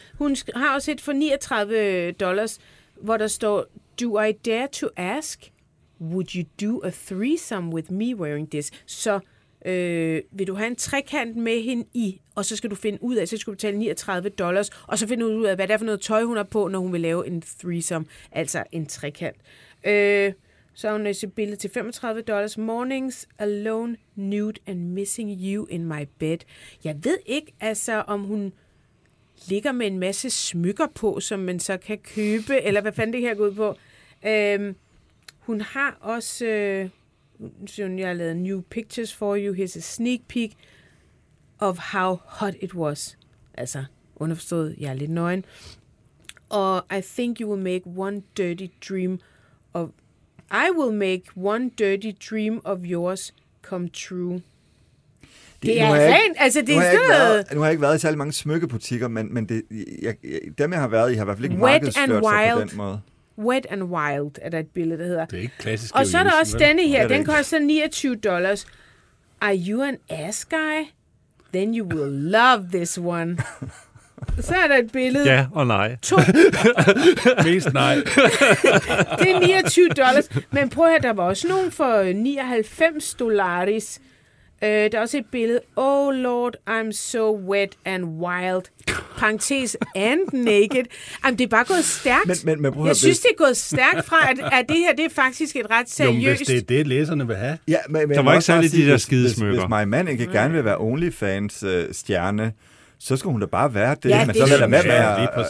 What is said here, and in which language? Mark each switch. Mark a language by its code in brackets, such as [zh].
[da] Hun har også et for $39, hvor der står, [en] do I dare to ask, would you do a threesome with me wearing this? [da] Så vil du have en trekant med hende i, og så skal du finde ud af, så skal du betale $39, og så finde ud af, hvad det er for noget tøj, hun har på, når hun vil lave en threesome, altså en trekant. Så har hun et billede til $35. [en] Mornings alone, nude and missing you in my bed. [da] Jeg ved ikke, altså, om hun ligger med en masse smykker på, som man så kan købe, eller hvad fanden det her går ud på. Hun har også... jeg har lavet [en] new pictures for you. Here's a sneak peek of how hot it was. [da] Altså, underforstået, jeg er lidt nøgen. [en] Og I think you will make one dirty dream of... I will make one dirty dream of yours come true. [da] Det er rent, altså det er stedet. Nu har jeg ikke været i særlig mange smykkebutikker, men det, dem jeg har været i, har i hvert fald ikke markedsført sig på den måde. Wet and Wild er der et billede, der hedder. Det er ikke klassisk. Og så er der også denne her. Den koster $29. [en] Are you an ass guy? Then you will love this one. [da] Så er der et billede. Ja og nej. Mest nej. Det er $29. Men prøv at høre, der var også nogen for $99. Der er også et billede. [en] Oh Lord, I'm so wet and wild. Parenthes and naked. [da] Jamen, det er bare gået stærkt. Men jeg synes, det er gået stærkt fra, at det her det er faktisk et ret seriøst... Jo, hvis det er det, læserne vil have. Ja, men der var ikke særlig de der skidesmykker. Hvis min mand ikke gerne vil være OnlyFans-stjerne, så skal hun da bare være det. Ja, men det så vil der med være...